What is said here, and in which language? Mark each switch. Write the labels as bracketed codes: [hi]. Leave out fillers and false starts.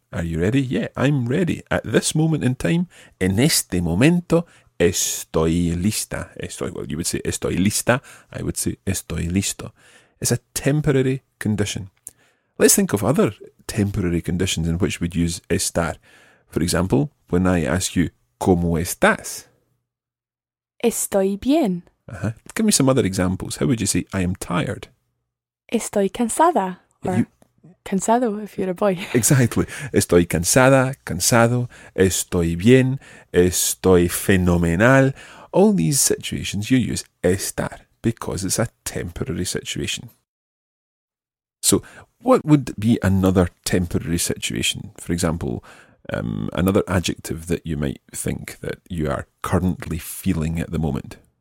[en] Are you ready? Yeah, I'm ready. At this moment in time, [es] en este momento, estoy lista. [en] You would say, [es] estoy lista. [en] I would say, [es] estoy listo. [en] It's a temporary condition. Let's think of other temporary conditions in which we'd use [es] estar. [en] For example, when I ask you, [es] ¿cómo estás? Estoy bien. [en] Uh-huh. Give me some other examples. How would you say, I am tired? [es] Estoy cansada. Cansado, [en] if you're a boy. Exactly. [es] Estoy cansada, cansado, estoy bien, estoy fenomenal. [en] All these situations you use [es] estar [en] because it's a temporary situation. So, what would be another temporary situation? For example, another adjective that you might think that you are currently feeling at the moment.